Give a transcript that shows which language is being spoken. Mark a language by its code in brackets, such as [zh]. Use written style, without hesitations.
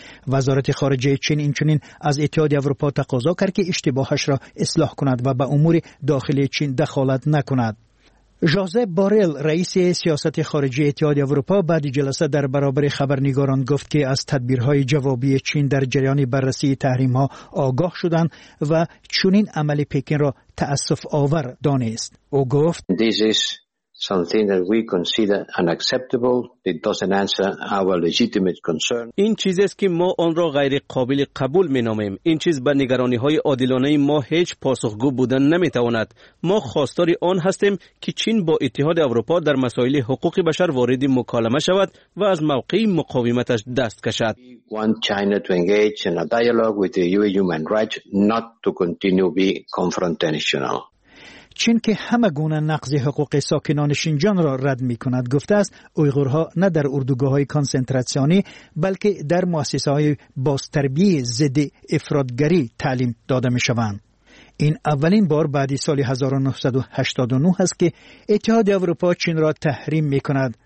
[fa] وزارت خارجه چین اینچنین از اتحاد اروپا تقاضا کرد که اشتباهش را اصلاح کند و به امور داخلی چین دخالت نکند. جوزپ بورل رئیس سیاست خارجی اتحاد اروپا بعد جلسه در برابر خبرنگاران گفت که از تدبیرهای جوابی چین در جریان بررسی تحریم ها آگاه شدند و چنین عمل پکین را تأسف آور دانست. او گفت [en] This is something that we consider unacceptable. It doesn't answer our legitimate concern. [fa] این چیزی است که ما آن را غیر قابل قبول می نامیم. این چیز به نگرانی های عادلانه ما هیچ پاسخگو بودن نمی تواند. ما خواستار آن هستیم که چین با اتحاد اروپا در مسائل حقوق بشر وارد مکالمه شود و از موقع مقاومتش دست کشد. [en] We want China to engage in a dialogue with the UN human rights, not to continue be confrontational. [fa] چین که همه گونه نقض حقوق ساکنان شینجان را رد می کند گفته است اویغورها نه در اردوگاه های کانسنتراسیونی بلکه در مؤسسه های بازتربیه ضد افرادگری تعلیم داده می شوند. این اولین بار بعد سال 1989 است که اتحاد اروپا چین را تحریم می کند.